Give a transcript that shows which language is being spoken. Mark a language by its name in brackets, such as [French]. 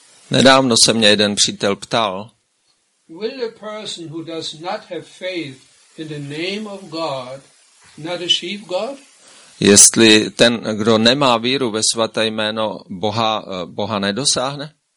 [Czech] Nedávno se mě jeden přítel ptal. [English] Will a person who does not have faith in the name of God not achieve God? [Czech] Jestli ten, kdo nemá víru ve svaté jméno Boha, Boha nedosáhne?